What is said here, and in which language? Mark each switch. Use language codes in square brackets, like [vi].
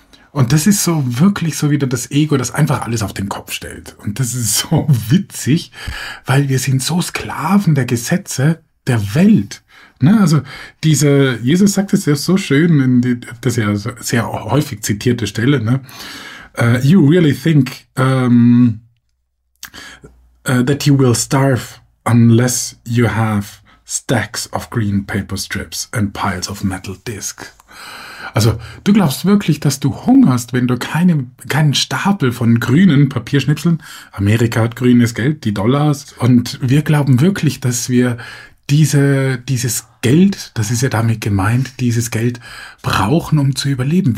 [de] Und das ist so wirklich so wieder das Ego, das einfach alles auf den Kopf stellt. Und das ist so witzig, weil wir sind so Sklaven der Gesetze der Welt. Ne, also diese, Jesus sagt es ja so schön, das ist ja so sehr häufig zitierte Stelle, ne? [en] You really think that you will starve unless you have stacks of green paper strips and piles of metal discs. [de] Also du glaubst wirklich, dass du hungerst, wenn du keinen Stapel von grünen Papierschnipseln, Amerika hat grünes Geld, die Dollars, und wir glauben wirklich, dass wir dieses Geld, das ist ja damit gemeint, dieses Geld brauchen, um zu überleben.